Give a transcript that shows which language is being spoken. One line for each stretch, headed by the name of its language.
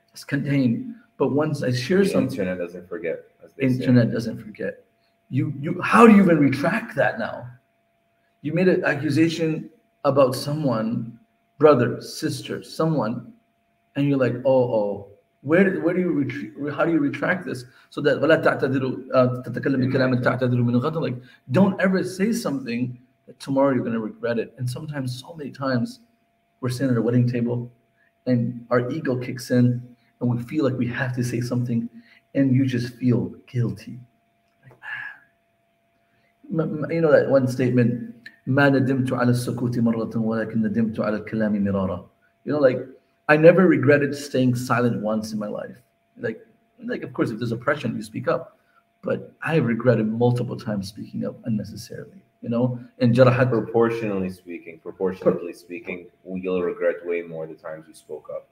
English: It's contained. But once I share the something, internet doesn't forget. As they internet say. Doesn't forget. You. How do you even retract that now? You made an accusation about someone, brother, sister, someone, and you're like, oh. Where do you retreat? How do you retract this? So that
Arabic: وَلَا تَعْتَذِرُوا تَتَكَلَّمِ كَلَامِ تَعْتَذِرُوا مِنُ غَدَرُ.
English: Like, don't ever say something that tomorrow you're going to regret it. And sometimes, so many times, we're sitting at a wedding table and our ego kicks in and we feel like we have to say something and you just feel guilty. Like, you know that one statement,
Arabic: مَا نَدِمْتُ عَلَى السَّكُوتِ مَرَّةٍ وَلَكِنْ نَدِمْتُ عَلَى الْكَلَامِ مِرَارًا.
English: You know, like, I never regretted staying silent once in my life. Like, of course, if there's oppression, you speak up. But I regretted multiple times speaking up unnecessarily, you know? And jarahat, proportionally speaking, you'll regret way more the times you spoke up.